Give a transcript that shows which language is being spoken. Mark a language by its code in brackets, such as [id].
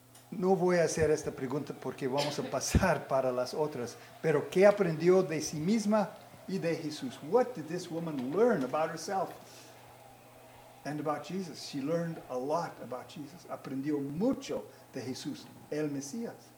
[es] No voy a hacer esta pregunta porque vamos a pasar para las otras. Pero, ¿qué aprendió de sí misma y de Jesús? [en] What did this woman learn about herself and about Jesus? She learned a lot about Jesus. [es] Aprendió mucho de Jesús, el Mesías.